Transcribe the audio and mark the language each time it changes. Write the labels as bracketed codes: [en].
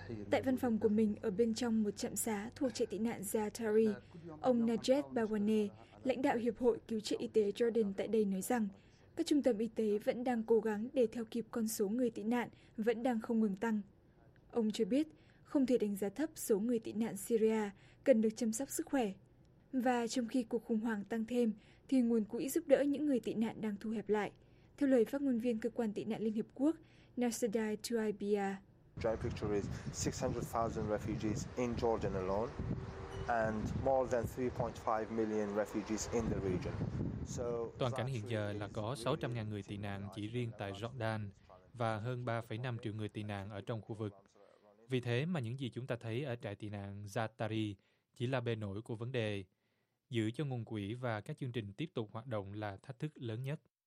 [vi] Tại văn phòng của mình ở bên trong một trạm xá thuộc trại tị nạn Zaatari, ông Najed Bawane, lãnh đạo Hiệp hội Cứu trợ Y tế Jordan tại đây nói rằng các trung tâm y tế vẫn đang cố gắng để theo kịp con số người tị nạn vẫn đang không ngừng tăng. Ông cho biết không thể đánh giá thấp số người tị nạn Syria cần được chăm sóc sức khỏe. Và trong khi cuộc khủng hoảng tăng thêm thì nguồn quỹ giúp đỡ những người tị nạn đang thu hẹp lại. Theo lời phát ngôn viên Cơ quan Tị nạn Liên Hiệp Quốc, Nasadai Tuaibia. [en] Dry picture is 600,000 refugees in Jordan alone and more than 3.5 million refugees in the region. [vi] Toàn cảnh hiện giờ là có 600.000 người tị nạn chỉ riêng tại Jordan và hơn 3,5 triệu người tị nạn ở trong khu vực. Vì thế mà những gì chúng ta thấy ở trại tị nạn Zaatari chỉ là bề nổi của vấn đề. Giữ cho nguồn quỹ và các chương trình tiếp tục hoạt động là thách thức lớn nhất.